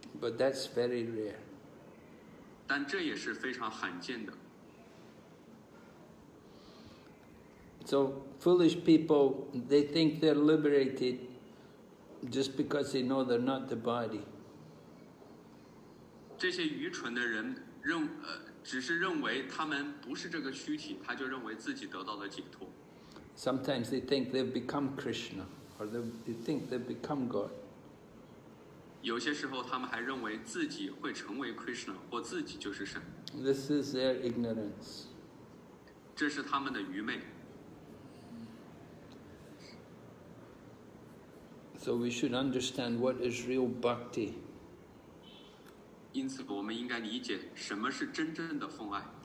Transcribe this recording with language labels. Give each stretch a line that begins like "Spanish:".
English: But that's very rare.
Chinese: 但这也是非常罕见的。
English: So foolish people, they think they're liberated just because they know they're not the body.
Chinese: 这些愚蠢的人只是认为他们不是这个躯体，他就认为自己得到了解脱。
English: Sometimes they think they've become Krishna, or they think they've become God.
Chinese: 有些时候他们还认为自己会成为 Krishna, 或自己就是神。
English: This is their ignorance.
Chinese: 这是他们的愚昧。
English: So we should understand what is real bhakti.
Chinese: 因此我们应该理解什么是真正的奉爱。